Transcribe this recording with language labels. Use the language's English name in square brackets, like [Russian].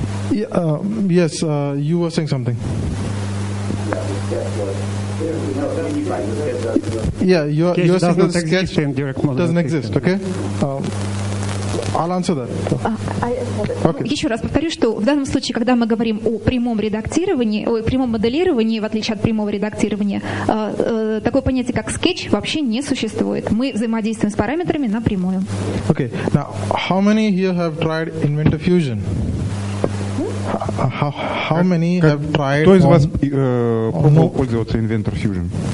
[English] Yes, you were saying something. Yeah, you're saying the sketch doesn't exist, okay? I'll answer that. Okay. [Russian] Еще раз повторю, что в данном случае, когда мы говорим о прямом редактировании, о прямом моделировании, в отличие от прямого редактирования, такое понятие как sketch вообще не существует. Мы взаимодействуем с параметрами напрямую. [English] Okay. Now, how many here have tried Inventor Fusion? How many have tried? [Russian] Кто из вас пробовал пользоваться Inventor Fusion?